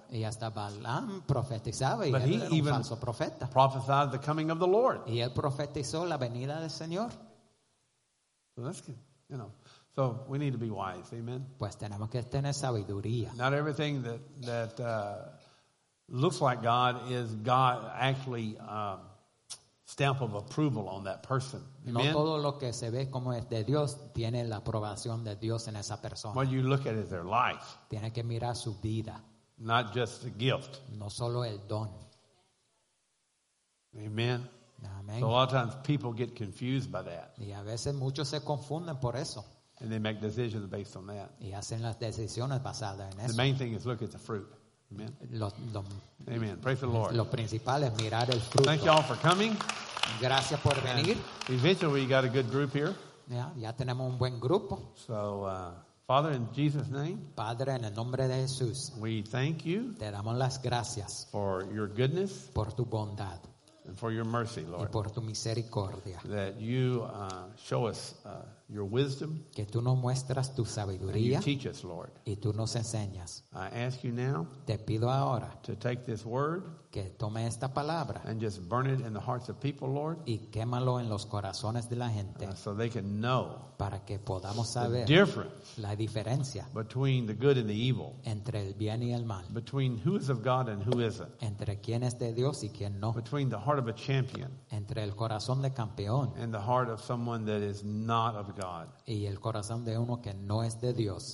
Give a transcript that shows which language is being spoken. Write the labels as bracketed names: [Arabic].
[Spanish] Y hasta Balaam profetizaba y [English] but [Spanish] él [English] he [Spanish] era [English] even [Spanish] un falso profeta. [English] Prophesied the coming of the Lord. [Spanish] Y él profetizó la venida del Señor. [English] So that's good, you know. So we need to be wise, amen. [Spanish] Pues tenemos que tener sabiduría. [English] Not everything that looks like God is God actually stamp of approval on that person. [Spanish] No todo lo que se ve como es de Dios tiene la aprobación de Dios en esa persona. [English] What you look at is their life. [Spanish] Tiene que mirar su vida. [English] Not just the gift. [Spanish] No solo el don. [English] Amen. Amen. So a lot of times people get confused by that. [Spanish] Y a veces muchos se confunden por eso. [English] And they make decisions based on that. [Spanish] Y hacen las decisiones basadas en eso. [English] The main thing is look at the fruit. Amen. Amen. Praise the Lord. [Spanish] Lo principal es mirar el fruto. [English] Thank you all for coming. [Spanish] Gracias por venir. [English] Eventually, we got a good group here. [Spanish] Yeah, ya tenemos un buen grupo. [English] So, Father, in Jesus' name. [Spanish] Padre, en el nombre de Jesús. [English] We thank you. [Spanish] Te damos las gracias. [English] For your goodness. [Spanish] Por tu bondad. [English] And for your mercy, Lord. [Spanish] Y por tu misericordia. [English] That you show us your wisdom. [Spanish] Que tú nos muestras tu sabiduría. [English] And you teach us, Lord. [Spanish] Y tú nos enseñas. [English] I ask you now. [Spanish] Te pido ahora. [English] To take this word. [Spanish] Que tome esta palabra. [English] And just burn it in the hearts of people, Lord. [Spanish] Y quémalo en los corazones de la gente. [English] So they can know. [Spanish] Para que podamos saber. [English] The difference. [Spanish] La diferencia. [English] Between the good and the evil. [Spanish] Entre el bien y el mal. [English] Between who is of God and who isn't. [Spanish] Entre quién es de Dios y quién no. [English] Between the heart of a champion. [Spanish] Entre el corazón de campeón. [English] And the heart of someone that is not of God. [Spanish] Y el corazón de uno que no es de Dios.